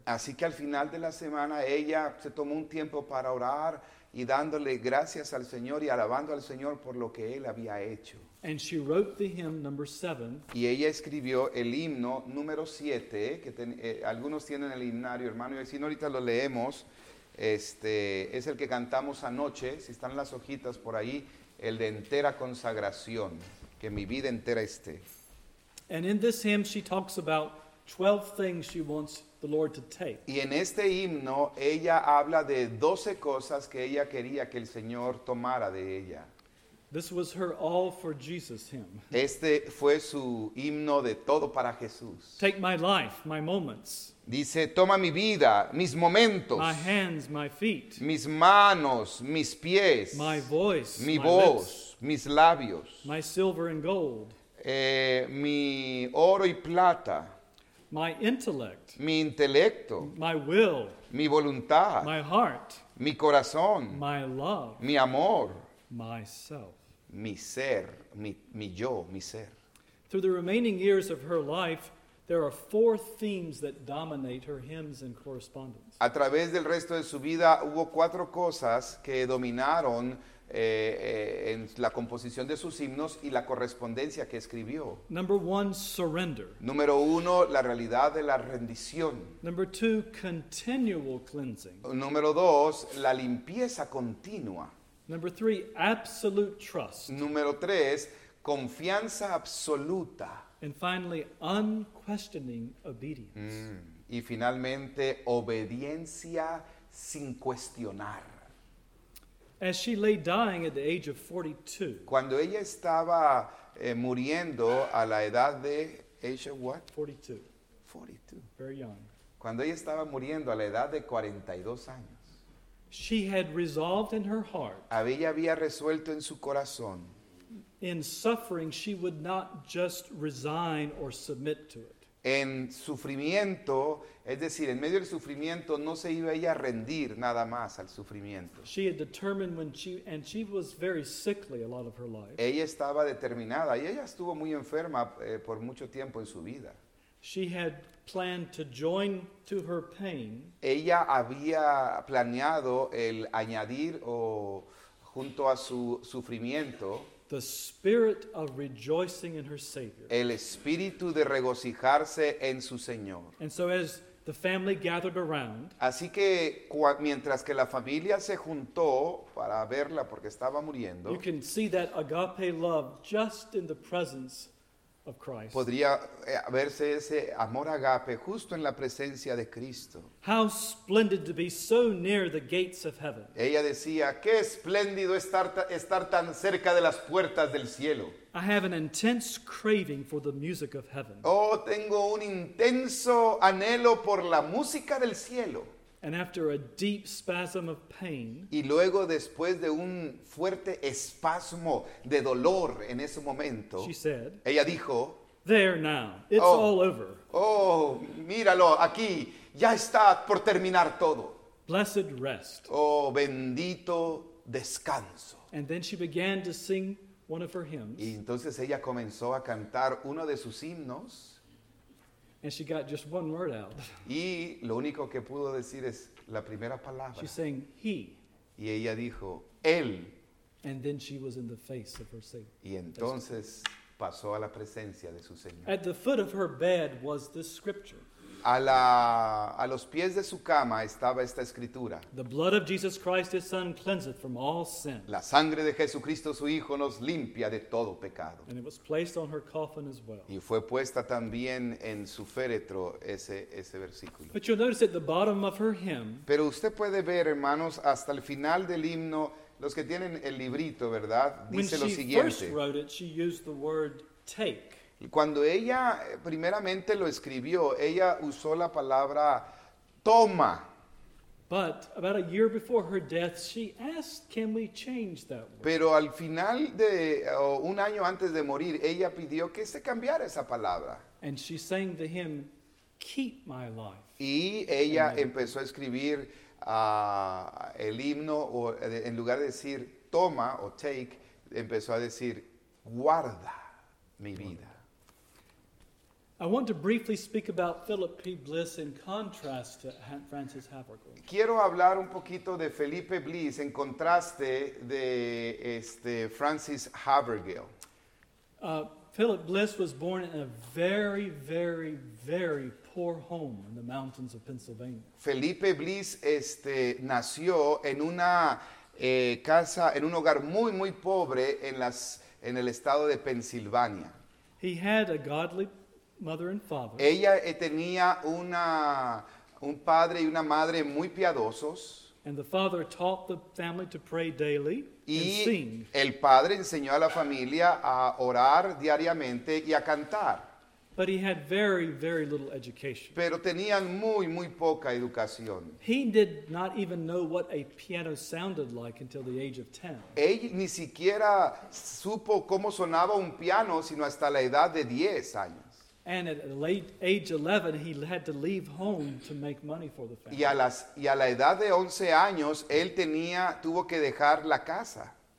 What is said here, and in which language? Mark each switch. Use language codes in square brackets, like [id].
[es] Así que al final de la semana ella se tomó un tiempo para orar y dándole gracias al Señor y alabando al Señor por lo que él había hecho. [en] And she wrote the hymn number 7. [es] Y ella escribió el himno número 7 que algunos tienen el himnario, hermano, y si no ahorita lo leemos. Este es el que cantamos anoche, si están las hojitas por ahí, el de entera consagración, que mi vida entera esté. [en] And in this hymn she talks about 12 things she wants the Lord to take. [es] Y en este himno ella habla de 12 cosas que ella quería que el Señor tomara de ella. [en] This was her all for Jesus hymn. [es] Este fue su himno de todo para Jesús. [en] Take my life, my moments. [es] Dice, toma mi vida, mis momentos. [en] My hands, my feet. [es] Mis manos, mis pies. [en] My voice, [es] mi [en] my [es] voz, [en] lips. [es] Mis labios. [en] My silver and gold. [es] Mi oro y plata. [en] My intellect, [es] mi intelecto, [en] my will, [es] mi voluntad, [en] my heart, [es] mi corazón, [en] my love, [es] mi amor, [en] myself, [es] mi ser, mi yo, mi ser. [en] Through the remaining years of her life, there are 4 themes that dominate her hymns and correspondence. [es] A través del resto de su vida hubo 4 cosas que dominaron en la composición de sus himnos y la correspondencia que escribió. [en] Number 1, surrender. [es] Número 1, la realidad de la rendición. [en] Number 2, continual cleansing. [es] Número 2, la limpieza continua. [en] Number 3, absolute trust. [es] Número 3, confianza absoluta. [en] And finally, unquestioning obedience. [es] Y finalmente, obediencia sin cuestionar. [en] As she lay dying at the age of 42. [es] Cuando ella estaba muriendo a la edad de [en] age of what? 42. Very young. [es] Cuando ella estaba muriendo a la edad de 42 años. [en] She had resolved in her heart. [es] Había resuelto en su corazón. [en] In suffering she would not just resign or submit to it. [es] En sufrimiento, es decir, en medio del sufrimiento, no se iba ella a rendir nada más al sufrimiento. [en] She had determined when she was very sickly a lot of her life. [es] Ella estaba determinada y ella estuvo muy enferma por mucho tiempo en su vida. [en] She had planned to join to her pain. [es] Ella había planeado el añadir o junto a su sufrimiento. [en] The spirit of rejoicing in her Savior. [es] El espíritu de regocijarse en su Señor. [en] And so as the family gathered around. [es] Así que mientras que la familia se juntó para verla porque estaba muriendo. [en] You can see that agape love just in the presence of Christ. [es] Podría verse ese amor agape justo en la presencia de Cristo. [en] How splendid to be so near the gates of heaven. [es] Ella decía, qué espléndido estar tan cerca de las puertas del cielo. [en] I have an intense craving for the music of heaven. [es] Oh, tengo un intenso anhelo por la música del cielo. [en] And after a deep spasm of pain, [es] y luego después de un fuerte espasmo de dolor en ese momento, [en] she said, [es] ella dijo, [en] there now, it's all over. [es] Oh, míralo aquí, ya está por terminar todo. [en] Blessed rest. [es] Oh, bendito descanso. [en] And then she began to sing one of her hymns. [es] Y entonces ella comenzó a cantar uno de sus himnos. [en] And she got just one word out. [es] Y lo único que pudo decir es la primera palabra. [en] She sang he. [es] Y ella dijo él. [en] And then she was in the face of her Savior. [es] Y entonces pasó a la presencia de su Señor. [en] At the foot of her bed was this scripture. [es] A los pies de su cama estaba esta escritura. [en] The blood of Jesus Christ, his son, cleanseth from all sin. [es] La sangre de Jesucristo, su hijo, nos limpia de todo pecado. [en] And it was placed on her coffin as well. [es] Y fue puesta también en su féretro ese versículo. [en] But you'll notice at the bottom of her hymn. [es] Pero usted puede ver, hermanos, hasta el final del himno, los que tienen el librito, ¿verdad? Dice lo siguiente. [en] When she first wrote it, she used the word take. [es] Cuando ella primeramente lo escribió, ella usó la palabra toma. [en] But about a year before her death, she asked, can we change that word? [es] Pero al final de un año antes de morir, ella pidió que se cambiara esa palabra. [en] And she sang the hymn, keep my life. [es] Y ella empezó a escribir el himno, o en lugar de decir toma o take, empezó a decir guarda mi vida. [en] I want to briefly speak about Philip P. Bliss in contrast to Francis Haverkle. [es] Quiero hablar un poquito de Felipe Bliss en contraste de Francis Haverkle. [en] Philip Bliss was born in a very, very, very poor home in the mountains of Pennsylvania. [es] Felipe Bliss nació en una casa, en un hogar muy, muy pobre en el estado de Pensilvania. [en] He had a godly mother and father. [es] Ella tenía un padre y una madre muy piadosos. [en] And the father taught the family to pray daily and sing. [es] El padre enseñó a la familia a orar diariamente y a cantar. [en] But he had very, very little education. [es] Pero tenían muy, muy poca educación. [en] He did not even know what a piano sounded like until the age of 10. [es] Él ni siquiera supo cómo sonaba un piano sino hasta la edad de 10 años. [en] And at the late age 11, he had to leave home to make money for the family. [es] Y a la edad de 11 años, él tuvo que dejar la casa.